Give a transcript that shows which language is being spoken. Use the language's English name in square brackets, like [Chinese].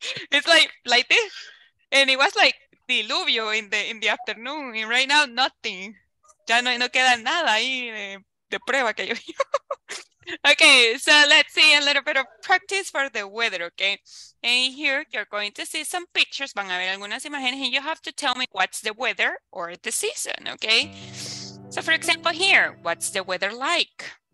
[English] It's like this, and it was like diluvio in the afternoon, and right now nothing. [Spanish] Ya no queda nada ahí de prueba que yo. [English] Okay, so let's see a little bit of practice for the weather, okay? And here you're going to see some pictures. [Spanish] Van a ver algunas imágenes, [English] and you have to tell me what's the weather or the season, okay? So for example, here, what's the weather like?